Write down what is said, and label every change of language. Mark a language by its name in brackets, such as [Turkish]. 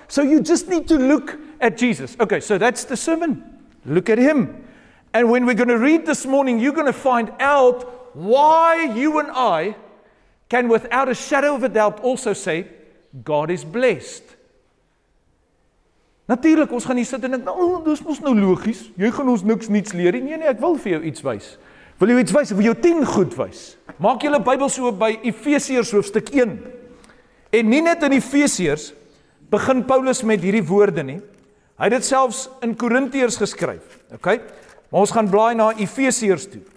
[English] So you just need to look at Jesus. Okay, so that's the sermon. Look at him. And when we're going to read this morning, you're going to find out why you and I can without a shadow of a doubt also say, God is blessed. [Afrikaans] Natuurlik, ons gaan hier sit en ek, nou, dis mos nou logies. Jy gaan ons niks niets leer nie. Nee, ek wil vir jou iets wys. Wil jy iets wys? Wil jou 10 goed wys? Maak julle Bybel so by Efesiërs hoofstuk 1. En nie net in Efesiërs begin Paulus met hierdie woorde nie. Hy het dit selfs in Korintiërs geskryf. [English] Okay? [Afrikaans] Maar ons gaan blaai na Efesiërs toe.